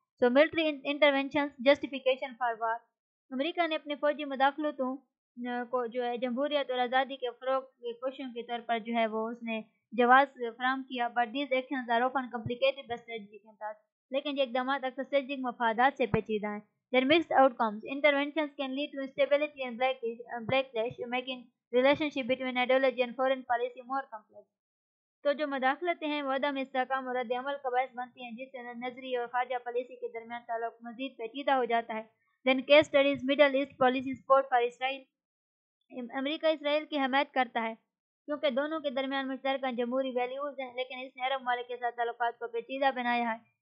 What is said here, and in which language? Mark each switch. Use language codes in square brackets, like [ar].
[en] so military interventions, justification for war, [ur] امریکہ نے اپنے فوجی مداخلتوں کو جو ہے جمہوریت اور آزادی کے فروغ کی کوششوں کے طور پر جو ہے وہ اس نے جواز فراہم کیا, [en] but these actions are often complicated by strategy [ur] کے ساتھ, لیکن یہ اقدامات اکثر اسٹریٹجک مفادات سے پیچیدہ ہیں. [en] Their mixed outcomes, interventions can lead to instability and backlash, making relationship between ideology and foreign policy more complex. [ur] تو جو مداخلتیں ہیں وہ عدم استحکام اور رد عمل کا باعث بنتی ہیں, جس سے نظری اور خارجہ پالیسی کے درمیان تعلق مزید پیچیدہ ہو جاتا ہے. [en] Then case studies, Middle East policy support for Israel, [ur] امریکہ اسرائیل کی حمایت کرتا ہے کیونکہ دونوں کے درمیان مشترکہ جمہوری ویلیوز ہیں, لیکن اس نے عرب ممالک کے ساتھ تعلقات کو پیچیدہ بنایا ہے.